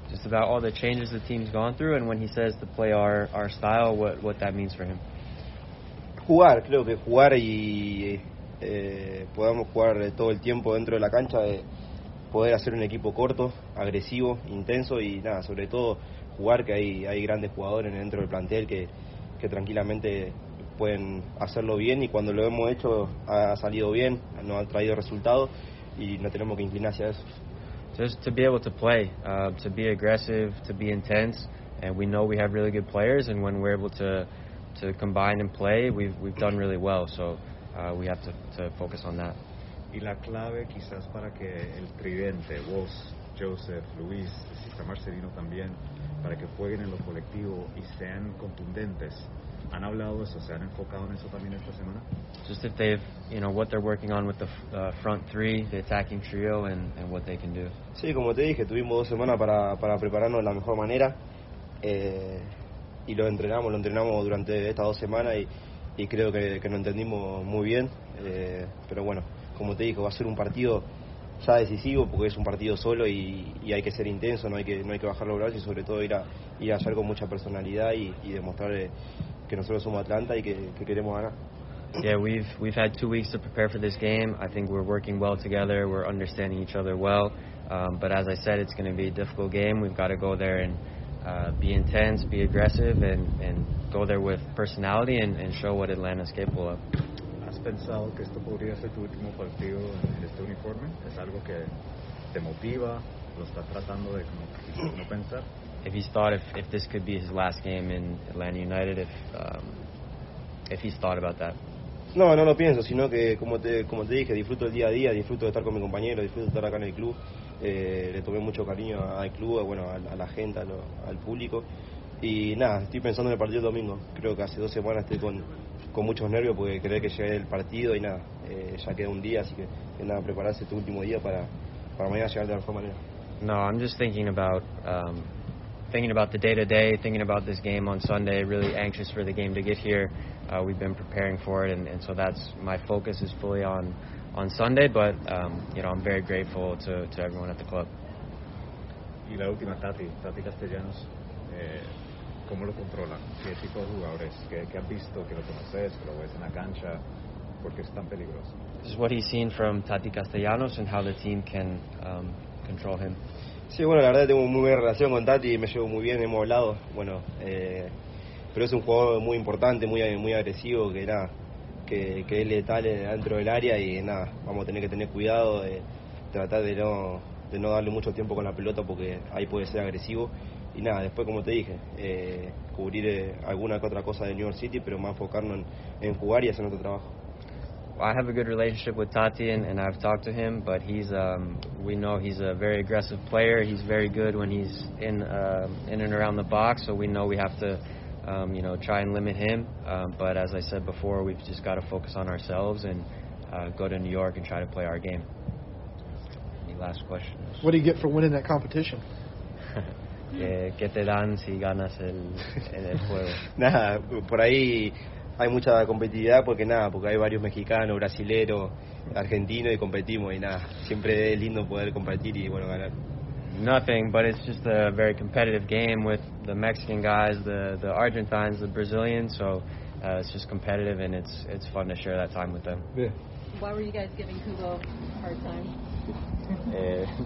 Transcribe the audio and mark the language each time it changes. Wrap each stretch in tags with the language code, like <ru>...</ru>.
<en>Just about all the changes the team's gone through, and when he says to play our style, what that means for him.</en> <es>Jugar, creo que jugar y podamos jugar todo el tiempo dentro de la cancha, poder hacer un equipo corto, agresivo, intenso y nada, sobre todo jugar, que hay grandes jugadores dentro del plantel que tranquilamente pueden hacerlo bien, y cuando lo hemos hecho ha salido bien, nos ha traído resultados y no tenemos que inclinar hacia eso.</es> <en>Just to be able to play, to be aggressive, to be intense, and we know we have really good players, and when we're able to combine and play, we've done really well, so we have to focus on that.</en> <es>Y la clave quizás para que el tridente, vos, Joseph, Luis, si está Marcelino también, para que jueguen en lo colectivo y sean contundentes. ¿Han hablado de eso? ¿Se han enfocado en eso también esta semana?</es> <en>Just if they've, you know, what they're working on with the front three, the attacking trio, and what they can do.</en> <es>Sí, como te dije, tuvimos dos semanas para prepararnos de la mejor manera, y lo entrenamos durante estas dos semanas, y creo que lo entendimos muy bien, pero bueno, como te digo, va a ser un partido ya decisivo, porque es un partido solo y hay que ser intenso, no hay que bajar los brazos, y sobre todo ir a hacer con mucha personalidad y demostrar que nosotros somos Atlanta y que queremos ganar.</es> <en>Yeah, we've had 2 weeks to prepare for this game. I think we're working well together, we're understanding each other well, but as I said, it's going to be a difficult game. We've got to go there and be intense, be aggressive, and go there with personality and show what Atlanta's capable of.</en> <es>¿Has pensado que esto podría ser tu último partido en este uniforme? ¿Es algo que te motiva? ¿Lo está tratando de como no pensar?</es> <en>If he's thought if this could be his last game in Atlanta United, if he's thought about that.</en> <es>No lo pienso, sino que como te dije, disfruto el día a día, disfruto de estar con mi compañero, disfruto de estar acá en el club. Le tomé mucho cariño al club, bueno, a la gente, al público. Y nada, estoy pensando en el partido del domingo. Creo que hace dos semanas estoy con muchos nervios porque creo que llegué el partido y nada, ya queda un día, así que nada, prepararse tu último día para mañana llegar de la mejor manera.</es> <en>No, I'm just thinking about the day-to-day, thinking about this game on Sunday, really anxious for the game to get here. We've been preparing for it, and so that's my focus is fully on Sunday, but you know, I'm very grateful to everyone at the club.</en> <es>Y la última, Tati Castellanos, ¿cómo lo controlan? ¿Qué tipo de jugadores? ¿Qué han visto? ¿Qué lo conoces? ¿Lo ves en la cancha? ¿Por qué es tan peligroso?</es> <en>This is what he's seen from Tati Castellanos and how the team can control him.</en> <es>Sí, bueno, la verdad tengo muy buena relación con Tati, me llevo muy bien, hemos hablado, bueno, pero es un jugador muy importante, muy muy agresivo, que nada, que es letal dentro del área, y nada, vamos a tener que tener cuidado de tratar de no darle mucho tiempo con la pelota, porque ahí puede ser agresivo, y nada, después, como te dije, cubrir alguna que otra cosa de New York City, pero más enfocarnos en jugar y hacer nuestro trabajo.</es> <en>I have a good relationship with Tati, and I've talked to him, but we know he's a very aggressive player. He's very good when he's in and around the box, so we know we have to you know, try and limit him. But as I said before, we've just got to focus on ourselves and go to New York and try to play our game. Any last questions? What do you get for winning that competition?</en> <es>¿Qué te dan si ganas el juego? Nah, por ahí hay mucha competitividad porque nada, porque hay varios mexicanos, brasileros, argentinos y competimos y nada, siempre es lindo poder competir y bueno, ganar.</es> <en>Nothing, but it's just a very competitive game with the Mexican guys, the Argentines, the Brazilians, so it's just competitive and it's fun to share that time with them. Yeah. Why were you guys giving Kugo a hard time? Eh.</en>